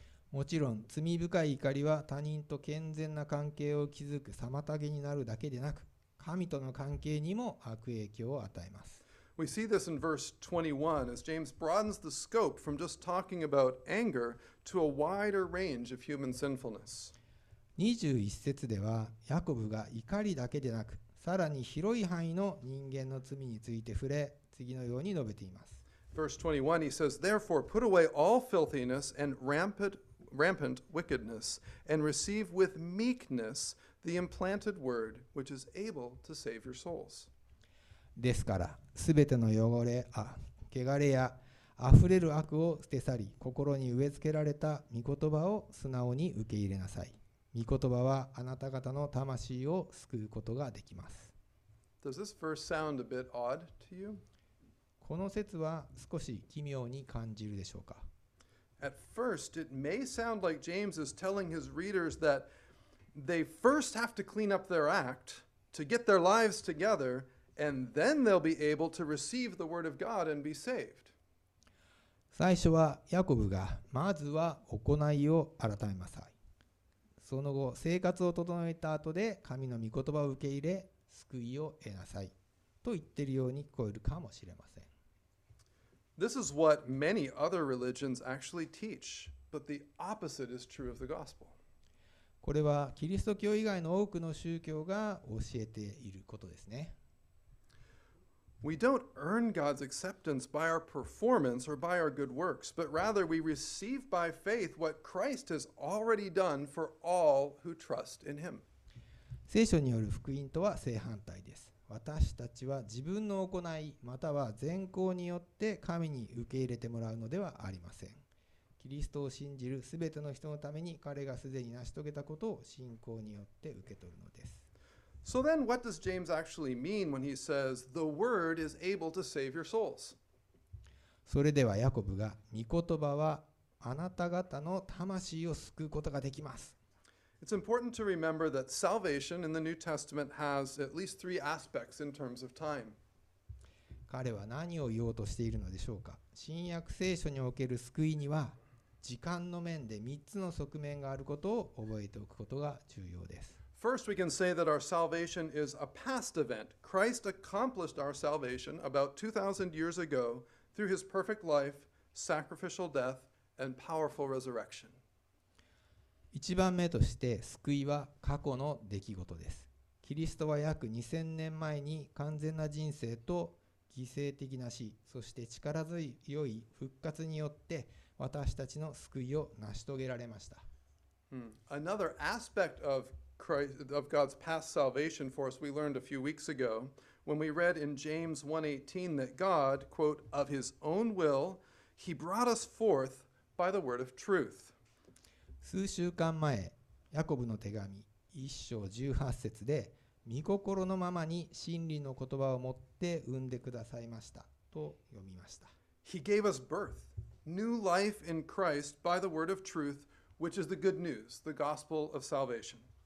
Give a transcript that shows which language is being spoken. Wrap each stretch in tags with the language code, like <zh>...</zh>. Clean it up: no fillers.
<ja>もちろん、罪深い怒りは他人と健全な関係を築く妨げになるだけでなく、神との関係にも悪影響を与えます。</ja> <en>We see this in verse 21 as James broadens the scope from just talking about anger to a wider range of human sinfulness.</en> <ja>21節では、ヤコブが怒りだけでなく、さらに広い範囲の人間の罪について触れ、次のように述べています。</ja> <en>Verse 21, he says, Therefore, put away all filthiness and rampant wickedness, and receive with meekness the implanted word, which is able to save your souls.</en> <ja>ですから、すべての汚れや溢れる悪を捨て去り、心に植え付けられた御言葉を素直に受け入れなさい。御言葉はあなた方の魂を救うことができます。</ja> <en>Does this verse sound a bit odd to you?</en> <ja>この説は少し奇妙に感じるでしょうか。</ja> <en>At first, it may sound like James is telling his readers that they first have to clean up their act to get their lives together, and then they'll be able to receive the word of God and be saved.</en> <ja>最初はヤコブがまずは行いを改めなさい。その後生活を整えた後で神の御言葉を受け入れ救いを得なさいと言っているように聞こえるかもしれません。</ja> <en>This is what many other religions actually teach, but the opposite is true of the gospel.</en> <ja>これはキリスト教以外の多くの宗教が教えていることですね。</ja> <en>We don't earn God's acceptance by our performance or by our good works, but rather we receive by faith what Christ has already done for all who trust in him.</en> <ja>聖書による福音とは正反対です。私たちは自分の行いまたは善行によって神に受け入れてもらうのではありません。キリストを信じるすべての人のために彼がすでに成し遂げたことを信仰によって受け取るのです。</ja> <en>So then what does James actually mean when he says the word is able to save your souls?</en> <ja>それではヤコブが御言葉はあなた方の魂を救うことができます。</ja> <en>It's important to remember that salvation in the New Testament has at least three aspects in terms of time.</en> <ja>彼は何を言おうとしているのでしょうか。新約聖書における救いには時間の面で3つの側面があることを覚えておくことが重要です。</ja> <en>First, we can say that our salvation is a past event. Christ accomplished our salvation about 2,000 years ago through his perfect life, sacrificial death, and powerful resurrection.</en> <ja>一番目として救いは過去の出来事です。キリストは約2000年前に完全な人生と犠牲的な死、そして力強い復活によって私たちの救いを成し遂げられました。</ja> <en>Another aspect of Christ, of God's past salvation for us we learned a few weeks ago when we read in James 1:18 that God, quote, of his own will, he brought us forth by the word of truth.</en> <ja>数週間前、ヤコブの手紙1章18節で御心のままに真理の言葉を持って産んでくださいましたと読みました。</ja> <en>He gave us birth, new life in Christ by the word of truth, which is the good news, the gospel of salvation.</en>